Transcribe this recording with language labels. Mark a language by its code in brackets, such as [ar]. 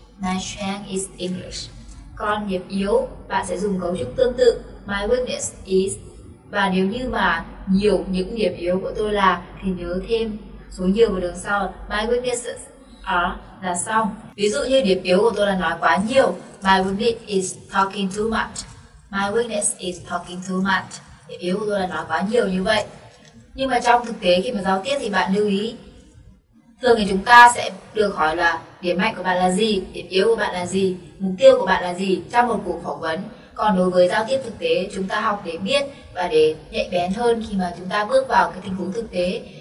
[en] My strength is English. [vi] Còn điểm yếu, bạn sẽ dùng cấu trúc tương tự [en] my weakness is. [vi] Và nếu như mà nhiều những điểm yếu của tôi là, thì nhớ thêm số nhiều vào đằng sau [en] my weaknesses are [vi] là xong. Ví dụ như điểm yếu của tôi là nói quá nhiều. [en] My weakness is talking too much. My weakness is talking too much. [vi] Điểm yếu của tôi là nói quá nhiều như vậy. Nhưng mà trong thực tế khi mà giao tiếp thì bạn lưu ý, thường thì chúng ta sẽ được hỏi là điểm mạnh của bạn là gì, điểm yếu của bạn là gì, mục tiêu của bạn là gì trong một cuộc phỏng vấn. Còn đối với giao tiếp thực tế, chúng ta học để biết và để nhạy bén hơn khi mà chúng ta bước vào cái tình huống thực tế.